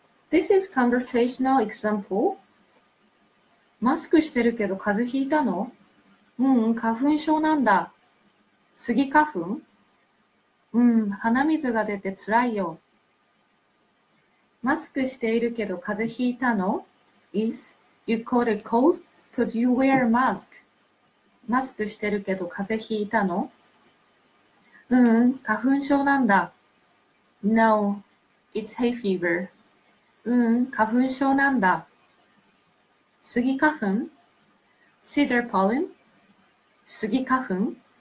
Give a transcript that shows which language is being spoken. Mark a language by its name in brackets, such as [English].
[English] This is conversational example. [Japanese] マスクしてるけど風邪ひいたの？うん、花粉症なんだ。スギ花粉？うん、鼻水が出てつらいよ。マスクしているけど風邪ひいたの？ [English] Is you caught a cold because you wear a mask? [Japanese] マスクしてるけど風邪ひいたの？うん、花粉症なんだ。 [English] No, it's hay fever. [Japanese] うん、花粉症なんだ。スギ花粉？ [English] Cedar pollen? [Japanese] スギ花粉？